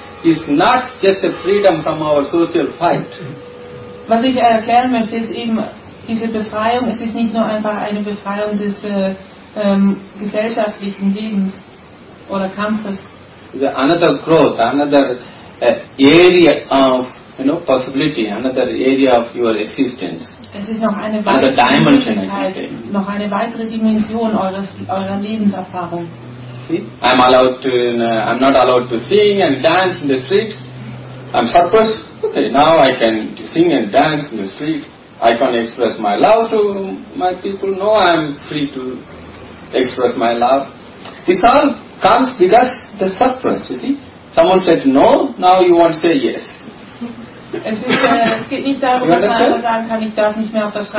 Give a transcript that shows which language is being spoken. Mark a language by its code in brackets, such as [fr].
[en] is not just a freedom from our social fight. [de] Was ich erklären möchte, ist eben diese Befreiung. Es ist nicht nur einfach eine Befreiung des gesellschaftlichen Lebens oder Kampfes. [en] The another growth, another area of possibility, another area of your existence. [de] Es ist noch eine weitere Dimension, noch eine weitere Dimension eurer Lebenserfahrung. [en] See, I'm not allowed to sing and dance in the street. I'm surprised. Okay, now I can sing and dance in the street. I can express my love to my people. No, I'm free to express my love. This all comes because the suppress, you see. Someone said no, now you want to say yes. [de] Es geht nicht darum, dass man sagen kann, ich darf nicht mehr auf der Straße.